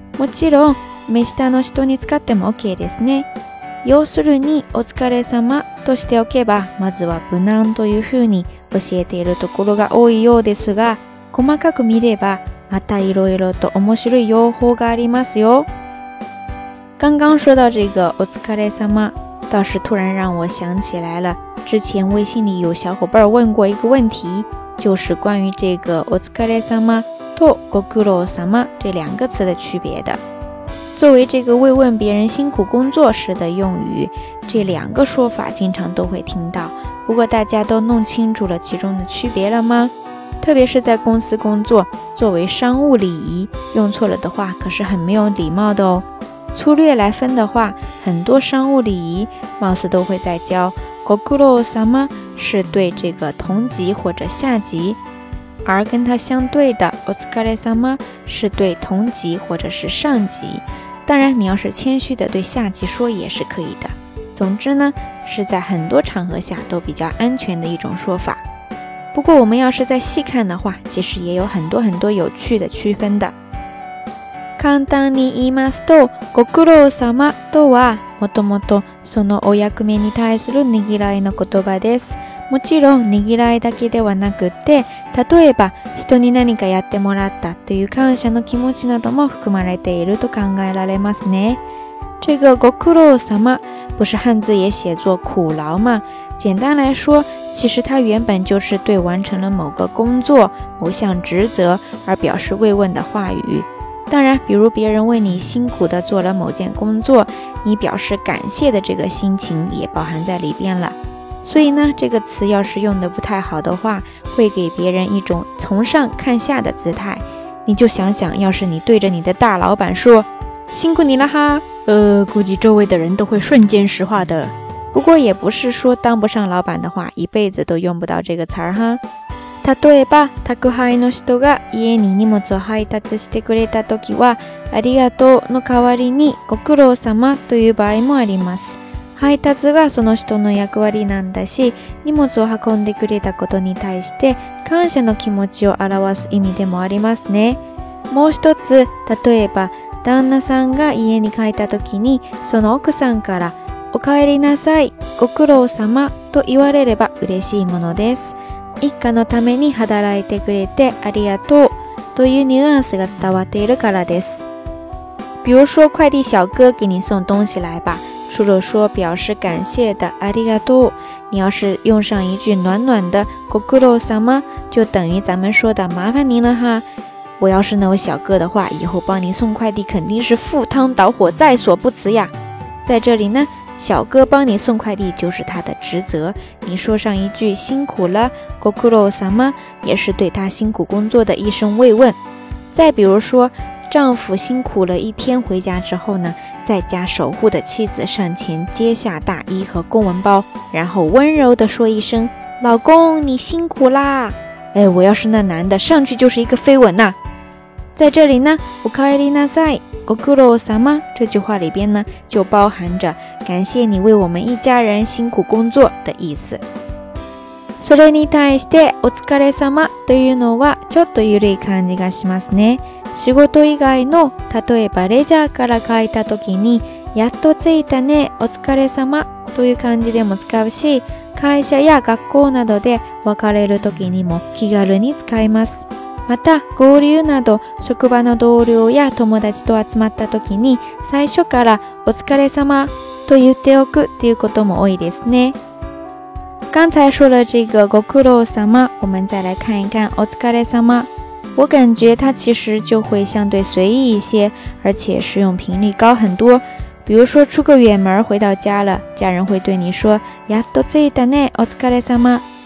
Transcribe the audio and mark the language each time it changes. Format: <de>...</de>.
<ja>もちろん目下の人に使っても OK ですね。要するにお疲れ様としておけば、まずは無難というふうに教えているところが多いようですが、細かく見ればまたいろいろと面白い用法がありますよ。</ja> <zh>刚刚说到这个お疲れ様，倒是突然让我想起来了，之前微信里有小伙伴问过一个问题，就是关于这个お疲れ様とご苦労様这两个词的区别的。作为这个慰问别人辛苦工作时的用语，这两个说法经常都会听到。不过大家都弄清楚了其中的区别了吗？特别是在公司工作，作为商务礼仪，用错了的话可是很没有礼貌的哦。粗略来分的话，很多商务礼仪貌似都会在教ご苦労様是对这个同级或者下级，而跟它相对的お疲れ様是对同级或者是上级。当然你要是谦虚的对下级说也是可以的。总之呢，是在很多场合下都比较安全的一种说法。不过我们要是再细看的话，其实也有很多很多有趣的区分的。</zh> <ja>簡単に言いますと、ご苦労様とはもともとそのお役目に対するねぎらいの言葉です。もちろんねぎらいだけではなくて、例えば人に何かやってもらったという感謝の気持ちなども含まれていると考えられますね。</ja> <zh>这个ご苦労様不是汉字也写作苦劳吗？简单来说，其实它原本就是对完成了某个工作某项职责而表示慰问的话语。当然比如别人为你辛苦地做了某件工作，你表示感谢的这个心情也包含在里边了。所以呢，这个词要是用得不太好的话，会给别人一种从上看下的姿态。你就想想，要是你对着你的大老板说，辛苦你了哈，估计周围的人都会瞬间石化的。不过也不是说当不上老板的话，一辈子都用不到这个词儿哈。</zh> <ja>例えば、宅配の人が家に荷物を配達してくれた時は、ありがとうの代わりにご苦労様という場合もあります。配達がその人の役割なんだし、荷物を運んでくれたことに対して感謝の気持ちを表す意味でもありますね。もう一つ、例えば旦那さんが家に帰った時に、その奥さんからお帰りなさい、ご苦労様と言われれば嬉しいものです。一家のために働いてくれてありがとうというニュアンスが伝わっているからです。</ja> <zh>比如说快递小哥给你送东西来吧，除了说表示感谢的ありがとう，你要是用上一句暖暖的ご苦労様，就等于咱们说的麻烦您了哈。我要是那位小哥的话，以后帮您送快递肯定是赴汤蹈火在所不辞呀。在这里呢，小哥帮你送快递就是他的职责，你说上一句辛苦了ご苦労様，也是对他辛苦工作的一声慰问。再比如说丈夫辛苦了一天回家之后呢，在家守护的妻子上前接下大衣和公文包，然后温柔地说一声，老公你辛苦啦。哎，我要是那男的上去就是一个飞吻呐。在这里呢，</zh> <ja>おかえりなさい、ご苦労様</ja> <zh>这句话里边呢，就包含着感谢你为我们一家人辛苦工作的意思。</zh> <ja>それに対してお疲れ様というのはちょっと緩い感じがしますね。仕事以外の例えばレジャーから帰った時にやっと着いたねお疲れ様という感じでも使うし、会社や学校などで別れる時にも気軽に使います。また合流など職場の同僚や友達と集まった時に最初からお疲れ様と言っておくということも多いですね。</ja> <zh>刚才说了这个ご苦労様，我们再来看一看お疲れ様。我感觉它其实就会相对随意一些，而且使用频率高很多。比如说出个远门回到家了，家人会对你说</zh> <ja>やっと着いたね、お疲れ様。</ja>